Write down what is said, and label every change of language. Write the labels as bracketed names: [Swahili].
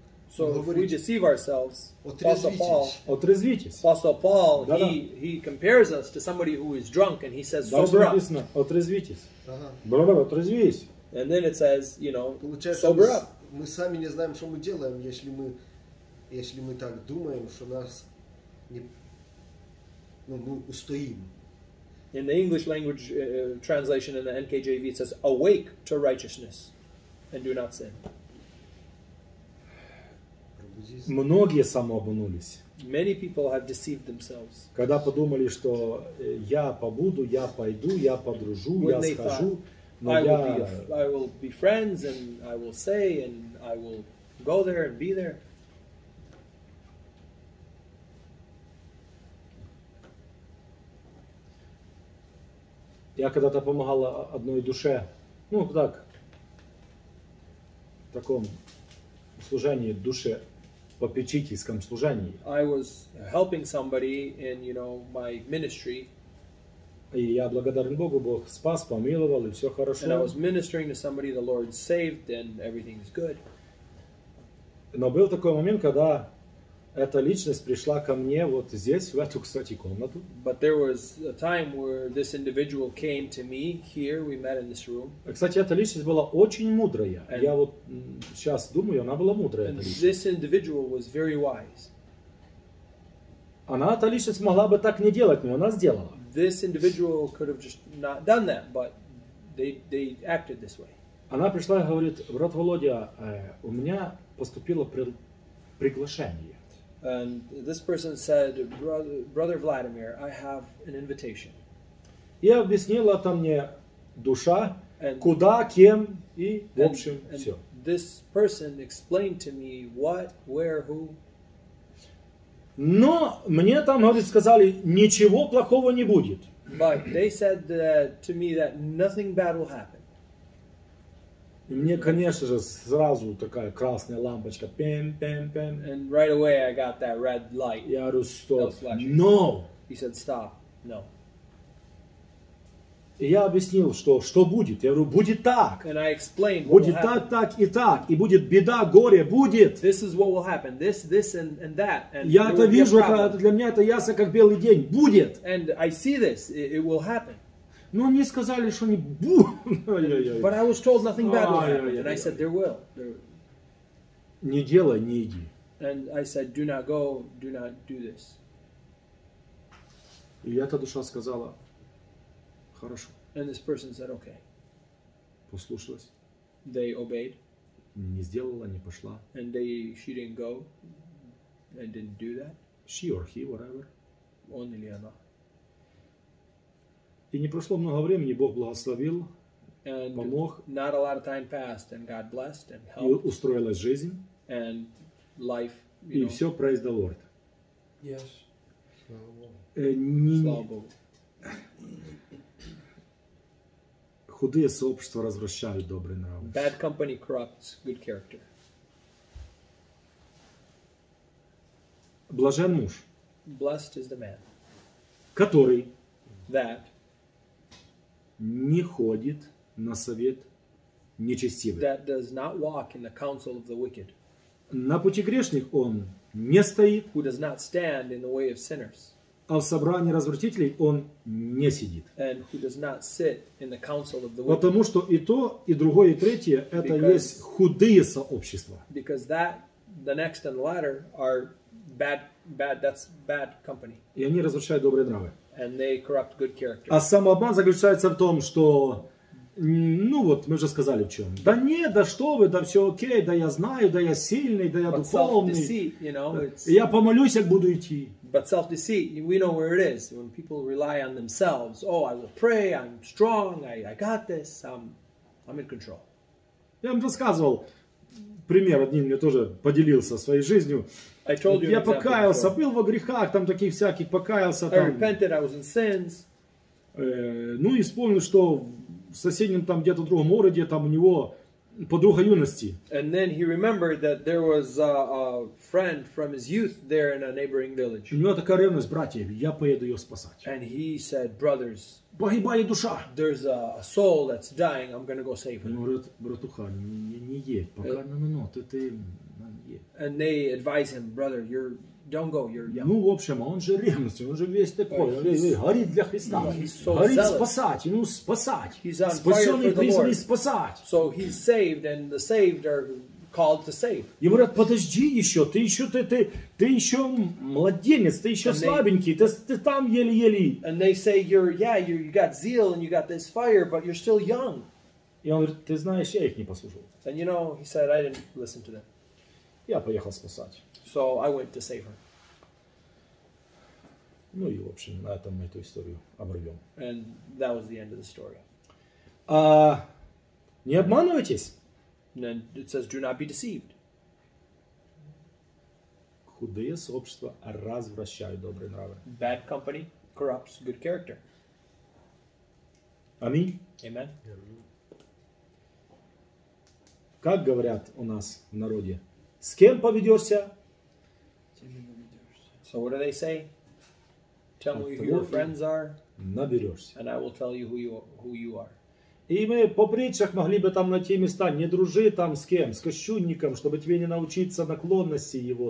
[English] So [Russian] говорит, [English] if we deceive ourselves, [Russian] отрезвитесь. [English] Apostle Paul, [Russian] да, [English] he compares us to somebody who is drunk, and he says, sober up. [Russian] Отрезвитесь. Ага. Отрезвись. [English] And then it says, you know, [Russian] получается, [English] sober up. [Russian] Мы сами не знаем, что мы делаем, если мы так думаем, что нас не, ну, мы устоим. [English] In the English language translation in the NKJV it says awake to righteousness and do not sin. [Russian] Многие самообманулись. [English] Many people have deceived themselves. [Russian] Когда подумали, что я побуду, я пойду, я подружу, [English] when [Russian] я скажу, [English] thought, [Russian] но [English] I will, I will be friends and I will say and I will go there and be there. [Russian] Я когда-то помогал одной душе, ну так, в таком служении, душе попечительском служении. [English] I was helping somebody in, you know, my ministry. [Russian] И я благодарен Богу, Бог спас, помиловал, и все хорошо. [English] And I was ministering to somebody, the Lord saved, and everything is good. [Russian] Но был такой момент, когда эта личность пришла ко мне вот здесь, в эту, кстати, комнату. [English] But there was a time where this individual came to me here, we met in this room. [Russian] Кстати, эта личность была очень мудрая. [English] And [Russian] я вот сейчас думаю, она была мудрая, эта личность. [English] And this individual was very wise. [Russian] Она, эта личность, могла бы так не делать, но она сделала. [English] This individual could have just not done that, but they acted this way. [Russian] Она пришла и говорит: брат Володя, у меня поступило приглашение. [English] And this person said, brother Vladimir, I have an invitation. [Russian] И объяснила там мне душа, [English] and, [Russian] куда, кем и в общем [English] and [Russian] все. [English] This person explained to me what, where, who. [Russian] Но мне там, говорит, сказали, ничего плохого не будет. [English] But they said to me that nothing bad will happen. [Russian] И мне, конечно же, сразу такая красная лампочка. Пэм, пэм, пэм. [English] And right away I got that red light. [Russian] Я говорю, стоп. [English] No. He said, stop. No. [Russian] И я объяснил, что, что будет. Я говорю, будет так. [English] And I explained what [Russian] будет [English] will [Russian] так, [English] happen. [Russian] Так и так. И будет беда, горе, будет. [English] This is what will happen. This, this and that. And [Russian] я это вижу, это, для меня это ясно, как белый день. Будет. [English] And I see this. It will happen. [Russian] Но мне сказали, что не будет. [English] But I was told nothing bad will happen. And I said, there will. [Russian] Не делай, не иди. [English] And I said, do not go, do not do this. [Russian] И эта душа сказала, хорошо. [English] And this person said, okay. [Russian] Послушалась. [English] They obeyed. [Russian] Не сделала, не пошла. [English] And they, she didn't go and didn't do that. She or he, whatever. [Russian] Он или она. И не прошло много времени, Бог благословил, [English] and [Russian] помог. [English] Not a lot of time passed, and God blessed and helped. [Russian] И устроилась жизнь. [English] And life, [Russian] и [English] know. [Russian] Все, [English] praise the Lord. Yes. [Russian] Слава Богу. Худые сообщества развращают добрые нравы. [English] Bad company corrupts good character. [Russian] Блажен муж. [English] Blessed is the man. [Russian] Который. [English] That. [Russian] Не ходит на совет нечестивых. [English] That does not walk in the counsel of the wicked. [Russian] На пути грешных он не стоит. [English] Who does not stand in the way of sinners. [Russian] А в собрании развратителей он не сидит. [English] And who does not sit in the council of the wicked. [Russian] Потому что и то, и другое, и третье, это есть худые сообщества. [English] Because that, the next and the latter are bad, bad, that's bad company. [Russian] И они развращают добрые нравы. [English] And they corrupt good character. [Russian] А самообман заключается в том, что, ну вот, мы уже сказали в чем. Да нет, да что вы, да все окей, да я знаю, да я сильный, да я [English] but [Russian] духовный. [English] You know, [Russian] я помолюсь, как буду идти. [English] But self-deceit, we know where it is. When people rely on themselves, oh, I will pray, I'm strong, I got this, I'm in control. [Russian] Я вам рассказывал пример, один мне тоже поделился своей жизнью. [English] I told you [Russian] я покаялся, был во грехах, там таких всяких, покаялся. Там. [English] I repented, I was in sins. [Russian] Ну и вспомнил, что в соседнем там где-то другом городе, там у него подруга юности. [English] And then he remembered that there was a friend from his youth there in a neighboring village. [Russian] У него такая ревность, братья, я поеду ее спасать. [English] And he said, brothers, [Russian] погибает душа. [English] There's a soul that's dying, I'm going to go save him. [Russian] Он говорит, братуха, не едь, пока, ну, ты... [English] And they advise him, brother, you're don't go, you're young. [Russian] Ну, в общем, он же ревностью, он же весь такой, горит для Христа, горит спасать, ну, спасать, спасенный призванный спасать. [English] So he's saved, and the saved are called to save. [Russian] И говорят, подожди еще, ты еще младенец, ты еще слабенький, ты там еле-еле. [English] And they say, you got zeal, and you got this fire, but you're still young. [Russian] И он говорит, ты знаешь, я их не послушал. [English] And you know, he said, I didn't listen to them. [Russian] Я поехал спасать. [English] So I went to save her. [Russian] Ну и в общем, на этом мы эту историю обрвем. [English] And that was the end of the story. [Russian] Не обманывайтесь. [English] And it says, do not be deceived. [Russian] Худые сообщества развращают добрые нравы. [English] Bad company corrupts good character. [Russian] Аминь. [English] Amen. [Russian] Как говорят у нас в народе, с кем поведешься? [English] So what do they say? Tell me who your friends are. [Russian] Наберешься. [English] And I will tell you who you are. [Russian] И мы по притчах могли бы там найти места. Не дружи там с кем? С кощунником, чтобы тебе не научиться наклонности его.